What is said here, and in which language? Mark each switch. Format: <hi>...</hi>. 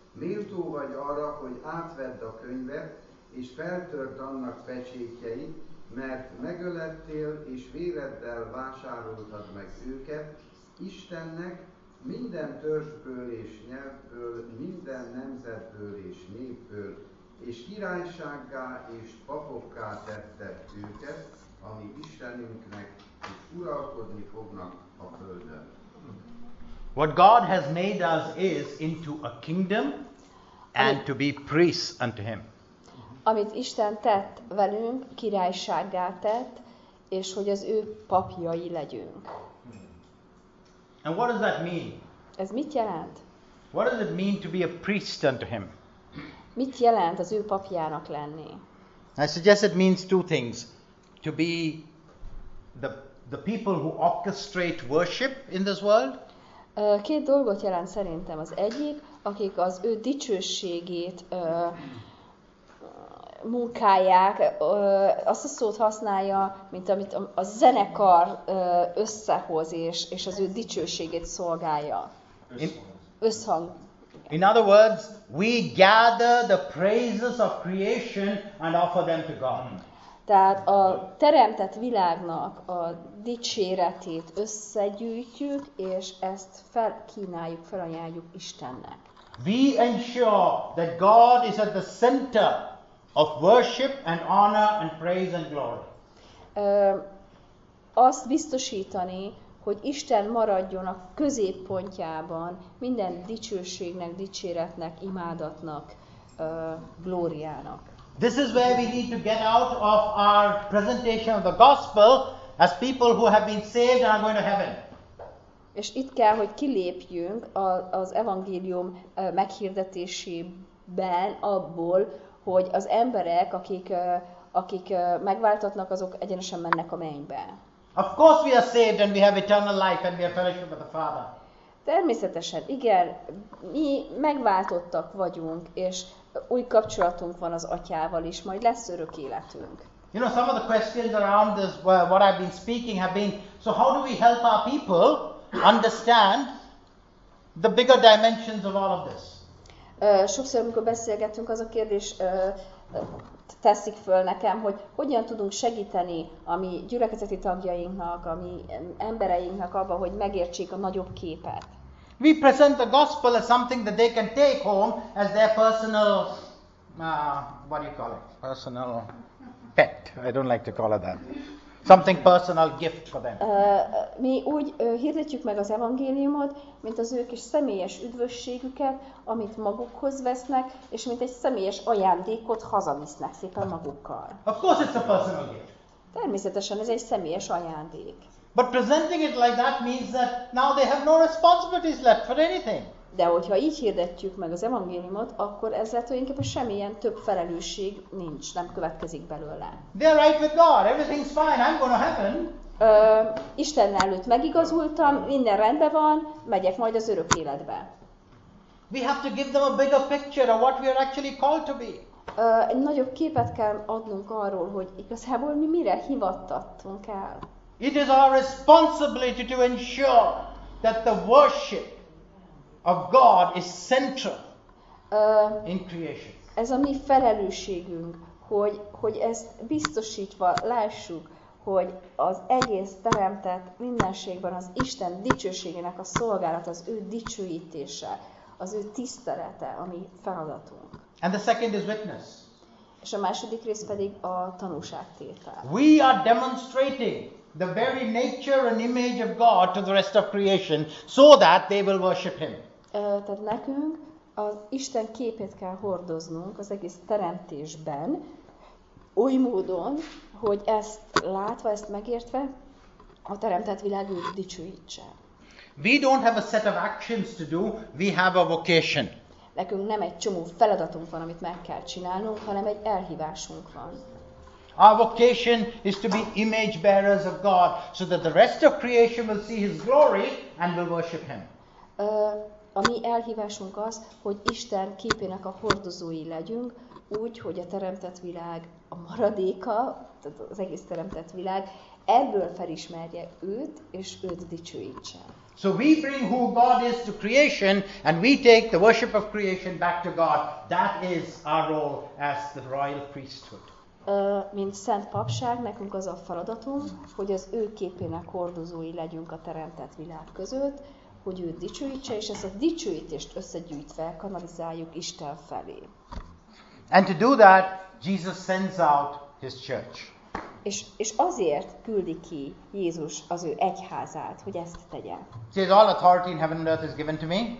<hu>Méltó vagy arra, hogy átvedd a könyvet, és feltört annak pecsétjeit, mert megölettél, és véreddel vásároltad meg őket, Istennek, minden törzsből és nyelvből, minden nemzetből és népből, és királysággá és papokká tetted őket, ami Istenünknek, és uralkodni fognak a földön.</hu> <en>What God has made us is into a kingdom and to be priests unto him.</en> <hu>Amit Isten tett velünk, királysággá tett, és hogy az ő papjai legyünk.</hu> <en>And what does that mean?</en> <hu>Ez mit jelent?</hu> <en>What does it mean to be a priest unto him?</en> <hu>Mit jelent az ő papjának lenni?</hu> <en>I suggest it means two things. To be the people who orchestrate worship in this world.</en> <hu>Két dolgot jelent szerintem. Az egyik, akik az ő dicsőségét munkálják, azt a szót használja, mint amit a zenekar összehoz, és az ő dicsőségét szolgálja. Összhang.</hu> <en>In other words, we gather the praises of creation and offer them to God.</en> <hu>Tehát a teremtett világnak a dicséretét összegyűjtjük, és ezt felkínáljuk, felajánljuk Istennek.</hu> <en>We ensure that God is at the center of worship and honor and praise and glory.</en> <hu>Azt biztosítani, hogy Isten maradjon a középpontjában minden dicsőségnek, dicséretnek, imádatnak, glóriának.</hu> <en>This is where we need to get out of our presentation of the gospel as people who have been saved and are going to heaven.</en> <hu>És itt kell, hogy kilépjünk az evangélium meghirdetésében abból, hogy az emberek, akik megváltatnak, azok egyenesen mennek a mennybe.</hu> <en>Of course we are saved and we have eternal life and we have fellowship with the Father.</en> <hu>Természetesen, igen, mi megváltottak vagyunk, és új kapcsolatunk van az Atyával is, majd lesz örök életünk.</hu> <en>You know, some of the questions around this, what I've been speaking have been, so how do we help our people understand the bigger dimensions of all of this?</en> <hu>Sokszor, amikor beszélgettünk, az a kérdés teszik föl nekem, hogy hogyan tudunk segíteni a mi gyülekezeti tagjainknak, a mi embereinknek abban, hogy megértsék a nagyobb képet.</hu> <en>We present the gospel as something that they can take home as their personal, what do you call it? Personal pet. I don't like to call it that. Something personal gift for them.</en> <hu>Mi úgy hirdetjük meg az evangéliumot, mint az ő kis személyes üdvösségüket, amit magukhoz vesznek, és mint egy személyes ajándékot hazavisznek szépen magukkal.</hu> <en>Of course it's a personal gift.</en> <hu>Természetesen ez egy személyes ajándék.</hu> <en>But presenting it like that means that now they have no responsibilities left for anything.</en> <hu>De hogyha így hirdetjük meg az evangéliumot, akkor ezzel tulajdonképpen semmilyen több felelősség nincs, nem következik belőle.</hu> <en>They are right with God, everything's fine, I'm going to heaven.</en> <hu>Isten előtt megigazultam, minden rendben van, megyek majd az örök életbe.</hu> <en>We have to give them a bigger picture of what we are actually called to be.</en> <hu>Egy nagyobb képet kell adnunk arról, hogy igazából mi mire hivatattunk el.</hu> <en>It is our responsibility to ensure that the worship of God is central in creation.</en> <hu>Ez a mi felelősségünk, hogy ezt biztosítva lássuk, hogy az egész teremtett mindenségben az Isten dicsőségének a szolgálata, az ő dicsőítése, az ő tisztelete, a mi feladatunk.</hu> <en>And the second is witness.</en> <hu>És a második rész pedig a tanúságtétel.</hu> <en>We are demonstrating the very nature and image of God to the rest of creation, so that they will worship him.</en> <hu>Tehát nekünk az Isten képét kell hordoznunk az egész teremtésben, oly módon, hogy ezt látva, ezt megértve, a teremtett világ őt dicsőítse.</hu> <en>We don't have a set of actions to do, we have a vocation.</en> <hu>Nekünk nem egy csomó feladatunk van, amit meg kell csinálnunk, hanem egy elhívásunk van.</hu> <en>Our vocation is to be image bearers of God, so that the rest of creation will see His glory and will worship Him.</en> <hu>A mi elhívásunk az, hogy Isten képének a hordozói legyünk, úgy, hogy a teremtett világ a maradéka, tehát az egész teremtett világ, ebből felismerje őt, és őt dicsőítse.</hu> <en>So we bring who God is to creation, and we take the worship of creation back to God. That is our role as the royal priesthood.</en> <hu>Mint szent papság, nekünk az a feladatunk, hogy az ő képének hordozói legyünk a teremtett világ között, hogy őt dicsőítse, és ezt a dicsőítést összegyűjtve kanalizáljuk Isten felé.</hu> <en>And to do that, Jesus sends out his church.</en> <hu>És azért küldi ki Jézus az ő egyházát, hogy ezt tegye.</hu> <en>Says all authority in heaven and earth is given to me.</en>